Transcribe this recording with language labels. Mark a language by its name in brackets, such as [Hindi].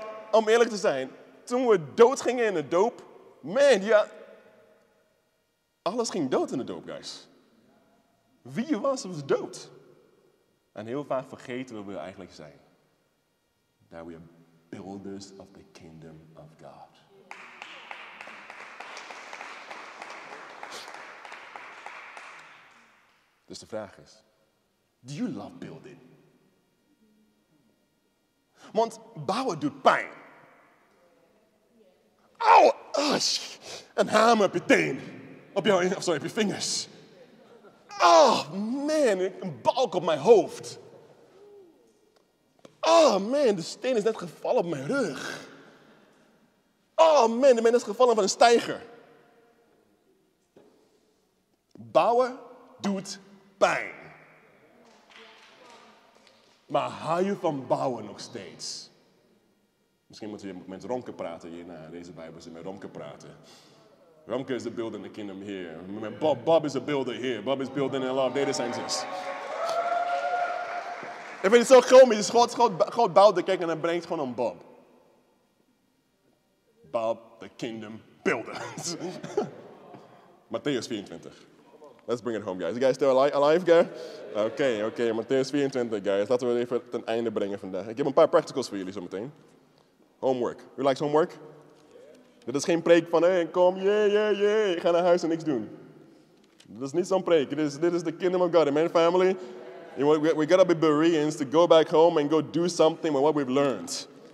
[Dutch] Om eerlijk te zijn, toen we dood gingen in de doop, man, ja, alles ging dood in de doop, guys. Wie je was dood. En heel vaak vergeten we wie we eigenlijk zijn. [English] That we are builders of the kingdom of God. [Dutch] Dus de vraag is, [English] do you love building? [Dutch] Want bouwen doet pijn. Auw, een hamer op je teen. Op je vingers. Oh man, een balk op mijn hoofd. Oh man, de steen is net gevallen op mijn rug. Oh man, ik ben net gevallen van een steiger. Bouwen doet pijn. Maar hou je van bouwen nog steeds? Misschien moeten we met Romke praten hier. Nou, deze Bijbel zit met Romke praten. [English] Romke is de builder in the kingdom here. Bob is de builder here. Bob is building in love data centers. [Dutch] Ik vind het zo komisch. God bouwt de kerk en hij brengt gewoon een Bob. [English] Bob, the kingdom builder. Matthäus 24. Let's bring it home, guys. You guys still alive, guys? Okay. Matthäus 24, guys. [Dutch] Laten we het even ten einde brengen vandaag. Ik heb een paar practicals voor jullie zometeen. Homework. [English] Who likes homework? [Dutch] Yeah. Dit is geen preek van, hey, kom, yeah. Ik ga naar huis en niks doen. Dit is niet zo'n preek. Dit is [English] the kingdom of God. [Dutch] Amen, family? [English] We gotta be Bereans to go back home and go do something with what we've learned.